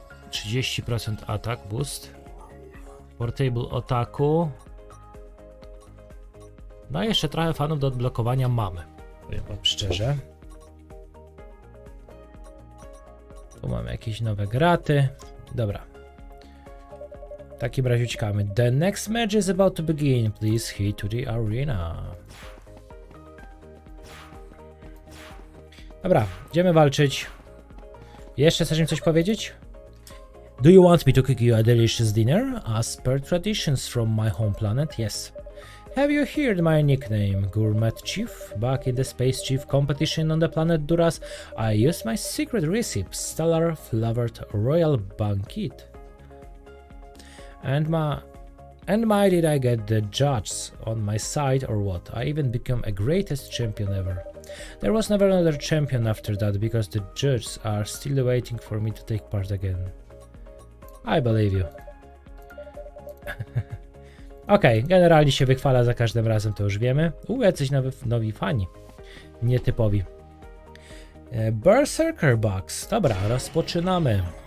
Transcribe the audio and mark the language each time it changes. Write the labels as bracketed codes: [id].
[pl] 30% atak boost. Portable ataku. No jeszcze trochę fanów do odblokowania mamy. Powiem wam szczerze. Tu mamy jakieś nowe graty. Dobra. W takim razie uciekamy. [en] The next match is about to begin. Please head to the arena. [pl] Dobra, idziemy walczyć. Jeszcze chcesz mi coś powiedzieć? [en] Do you want me to cook you a delicious dinner? As per traditions from my home planet, yes. Have you heard my nickname, Gourmet Chief? Back in the Space Chief competition on the planet Duras, I used my secret recipe, Stellar Flavored Royal Banquet. And my did I get the judges on my side or what? I even became a greatest champion ever. There was never another champion after that, because the judges are still waiting for me to take part again. I believe you. [pl] Okej, okay, generalnie się wychwala za każdym razem, to już wiemy. Jacyś nowi fani. Nietypowi. Berserker Box. Dobra, rozpoczynamy.